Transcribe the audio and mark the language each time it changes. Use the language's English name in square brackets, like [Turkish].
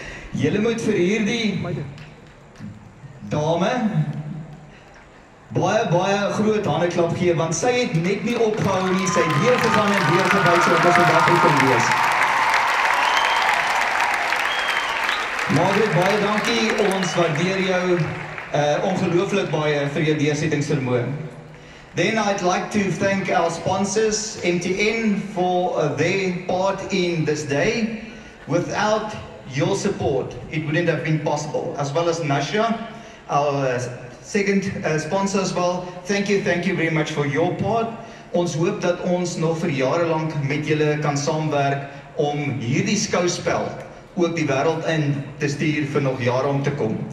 [Afrikaans] Julle moet vir hierdie dame baie groot hande klap gee, want sy het net nie opgehou nie. Sy het weer gegaan en weer gebuig sodat ons vandag hier kon wees. Margaret, baie dankie. Ons waardeer jou ongelooflik baie vir jou deursettingsvermoë. [English] Then I'd like to thank our sponsors, MTN, for their part in this day. Without your support, it wouldn't have been possible. As well as Nasha, our second sponsor as well. Thank you very much for your part. [Afrikaans] Ons hoop dat ons nog vir jare lank met julle kan saamwerk om hierdie skouspel ook die wêreld in te stuur vir nog jare om te kom.